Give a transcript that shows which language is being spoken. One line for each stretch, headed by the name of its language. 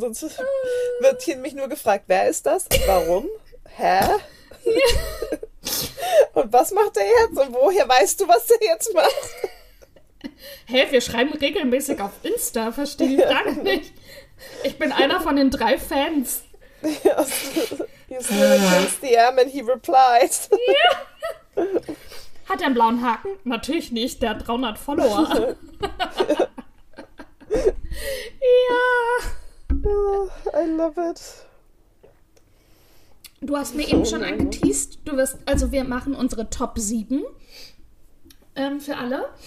German: Sonst wird hier mich nur gefragt, wer ist das? Warum? Hä? Ja. Und was macht er jetzt? Und woher weißt du, was er jetzt macht? Hä, wir schreiben regelmäßig auf Insta, verstehe ich gar nicht. Ich bin einer von den 3 Fans.
English: Yes. He's really close to the M and he replies.
German: Ja. Hat er einen blauen Haken? Natürlich nicht, der hat 300 Follower. Ja. Ja.
English: Oh, I love it.
German: Du hast mir eben schon angeteased. Du wirst, also wir machen unsere Top 7 für alle.